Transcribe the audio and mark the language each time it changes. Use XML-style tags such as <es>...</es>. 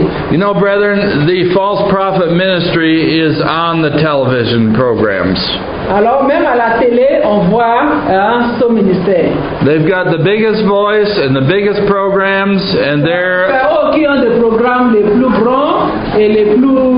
<en>You know, brethren, the false prophet ministry is on the television programs.</en> <fr>Alors, même à la télé, on voit, ce ministère.</fr> <en>They've got the biggest voice and the biggest programs, and they're.</en> <fr>Oh, qui ont des programmes les plus grands et les plus.</fr>